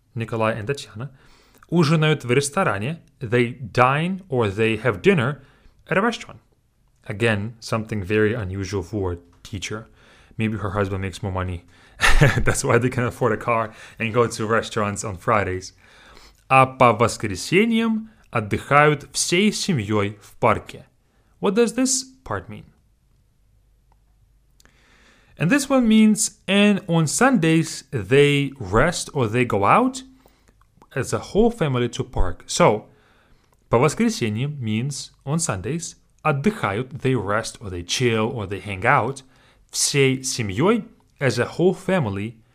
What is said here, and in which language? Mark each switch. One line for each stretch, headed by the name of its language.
Russian: Николай and Татьяна ужинают в ресторане.
English: They dine or they have dinner at a restaurant. Again, something very unusual for a teacher. Maybe her husband makes more money. That's why they can afford a car and go to restaurants on Fridays.
Russian: А по воскресеньям отдыхают всей семьей в парке.
English: What does this part mean? And this one means, and on Sundays they rest or they go out as a whole family to park. So,
Russian: по воскресеньям
English: means on Sundays. Отдыхают, they rest or they chill or they hang out.
Russian: Всей семьей,
English: as a whole family.